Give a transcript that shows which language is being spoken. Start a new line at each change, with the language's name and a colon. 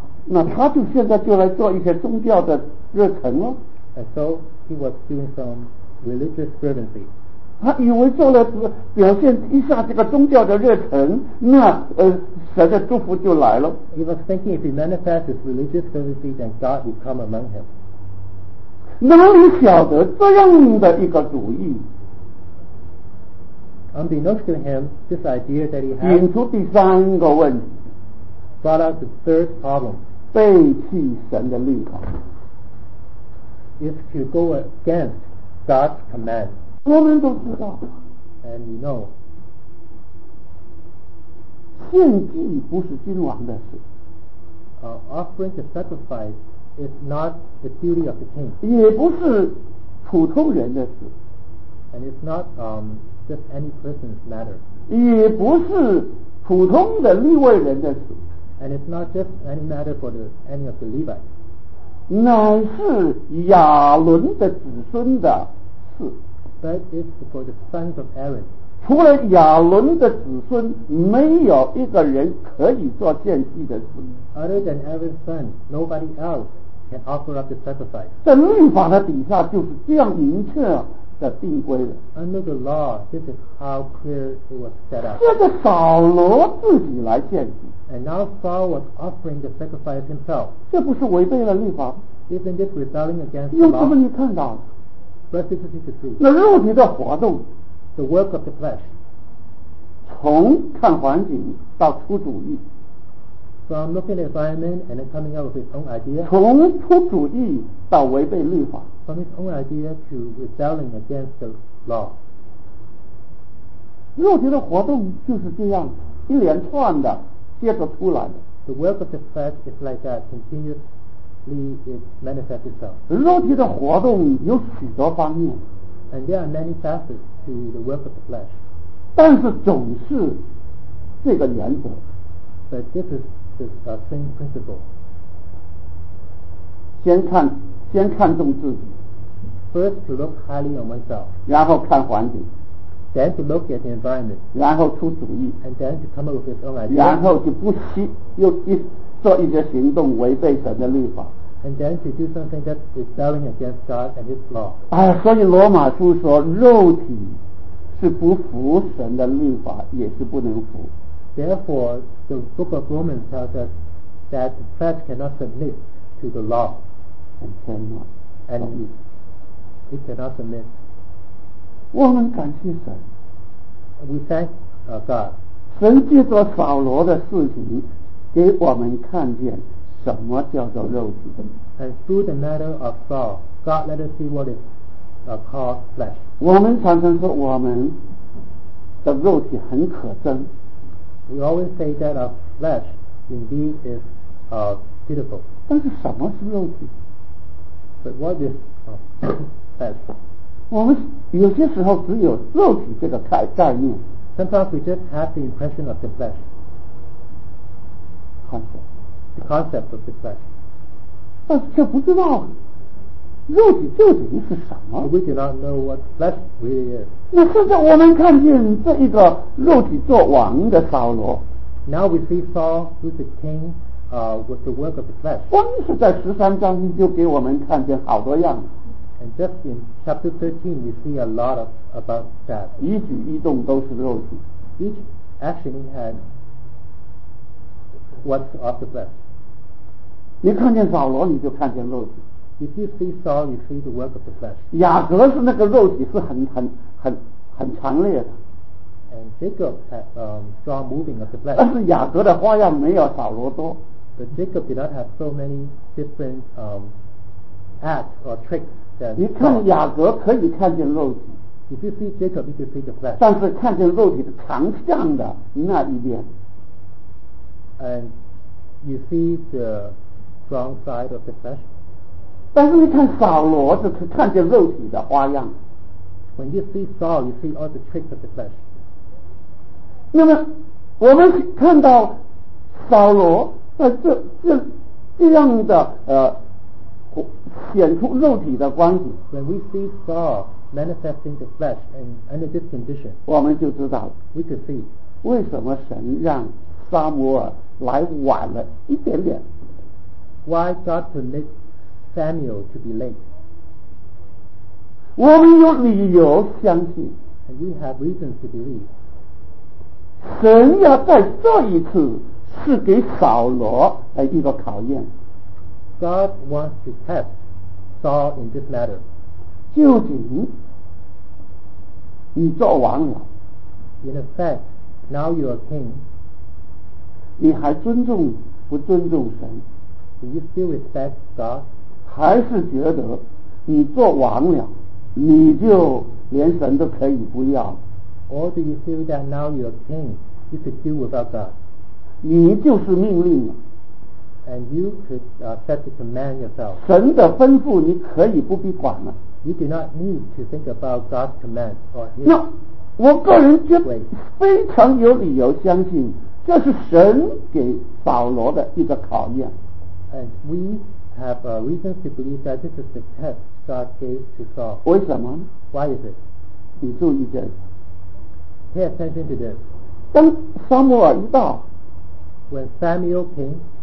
Chinese: 那他就现在就来做一些宗教的热忱了。
English: And so he was doing some religious fervency.
Chinese: 他以为做了表现一下这个宗教的热忱，那神的祝福就来了。
English: He was thinking if he manifests his religious fervency, then God will come among him.
Chinese: 哪里晓得这样的一个主意？
English: Unbeknownst to him, this idea that he had
Chinese: 引出第三个问题。
English: Brought out the third problem.
Chinese: 背弃神的律法。
English: Is to go against God's command.
Chinese: 我们都知道。
English: And you know.
Chinese: 献祭不是君王的事。
English: Offering the sacrifice is not the duty of the king.
Chinese: 也不是普通人的事。
English: And it's not just any person's matter.
Chinese: 也不是普通的利未人的事。
English: And it's not just any matter for any of the Levites.
Chinese: 乃是亚伦的子孙的事。
English: But it's for the sons of Aaron.
Chinese: 除了亚伦的子孙，没有一个人可以做献祭的事。
English: Other than Aaron's son, nobody else can offer up the sacrifice.
Chinese: 在律法的底下就是这样明确的定规了。
English: Under the law, this is how clear it was set up.
Chinese: 现在扫罗自己来献祭。
English: And now Saul was offering the sacrifice himself.
Chinese: 这不是违背了律法？
English: Isn't this rebelling against the law?
Chinese: 用什么你看到？
English: Verse 63.
Chinese: 那肉体的活动，
English: the work of the flesh.
Chinese: 从看环境到出主意，
English: from looking at the environment and then coming up with his own idea.
Chinese: 从出主意到违背律法，
English: from his own idea to rebelling against the law.
Chinese: 肉体的活动就是这样一连串的。接着出来的
English: The work of the flesh is like that. Continuously it manifests itself.
Chinese: 肉体的活动有许多方面。
English: And there are many facets to the work of the flesh.
Chinese: 但是总是这个原则。
English: But this is the same principle.
Chinese: 先看重自己。
English: First to look highly on myself.
Chinese: 然后看环境。
English: Then to look at the environment.
Chinese: 然后出主意。
English: And then to come up with his own idea.
Chinese: 然后就不惜又一做一些行动违背神的律法。
English: And then to do something that is rebelling against God and his law.
Chinese: 哎，所以罗马书说肉体是不服神的律法也是不能服。
English: Therefore, the book of Romans tells us that the flesh cannot submit to the law. And cannot. And it cannot submit.
Chinese: 我们感谢神
English: We thank God
Chinese: 神借着扫罗的事情给我们看见什么叫做肉体
English: And through the matter of Saul God let us see what is called flesh
Chinese: 我们常常说我们的肉体很可憎
English: We always say that our flesh indeed is pitiful.
Chinese: 但是什么是肉体？
English: But what is flesh?
Chinese: 我们有些时候只有肉体这个概念。
English: Sometimes we just have the impression of the flesh. Concept. The concept of the flesh.
Chinese: 但是却不知道肉体究竟是什么。
English: But we do not know what flesh really is.
Chinese: 那现在我们看见这一个肉体做王的扫罗。
English: Now we see Saul who's the king with the work of the flesh.
Chinese: 光是在十三章就给我们看见好多样。
English: And just in chapter 13, you see a lot of about that.
Chinese: 一举一动都是肉体。
English: Each action he had was of the flesh.
Chinese: 你看见扫罗，你就看见肉体。
English: If you see Saul, you see the work of the flesh.
Chinese: 雅各是那个肉体是很强烈的。
English: And Jacob had strong moving of the flesh.
Chinese: 但是雅各的花样没有扫罗多。
English: But Jacob did not have so many different acts or tricks.
Chinese: 你看雅各可以看见肉体。
English: If you see Jacob, you can see the flesh.
Chinese: 但是看见肉体的长相的那一边。
English: And you see the strong side of the flesh.
Chinese: 但是你看扫罗是看见肉体的花样。
English: When you see Saul, you see all the tricks of the flesh.
Chinese: 那么我们看到扫罗在这样的显出肉体的光景。
English: When we see Saul manifesting the flesh and under this condition,
Chinese: 我们就知道
English: we can see
Chinese: 为什么神让撒母耳来晚了一点点。
English: Why God permit Samuel to be late?
Chinese: 我们有理由相信
English: and we have reasons to believe
Chinese: 神要再做一次是给扫罗一个考验。
English: God wants to test Saul in this matter.
Chinese: 究竟你做王了。
English: In effect, now you are king.
Chinese: 你还尊重不尊重神？
English: Do you still respect God?
Chinese: 还是觉得你做王了，你就连神都可以不要？
English: Or do you feel that now you are king, you could do without God?
Chinese: 你就是命令了。
English: And you could set the command yourself.
Chinese: 神的吩咐你可以不必管了。
English: You do not need to think about God's command or His.
Chinese: 那我个人觉非常有理由相信，这是神给扫罗的一个考验。
English: And we have a reason to believe that this is the test God gave to Saul.
Chinese: 为什么？
English: Why is it?
Chinese: 你注意这。
English: Pay attention to this.
Chinese: 当撒母耳一到。
English: When Samuel came.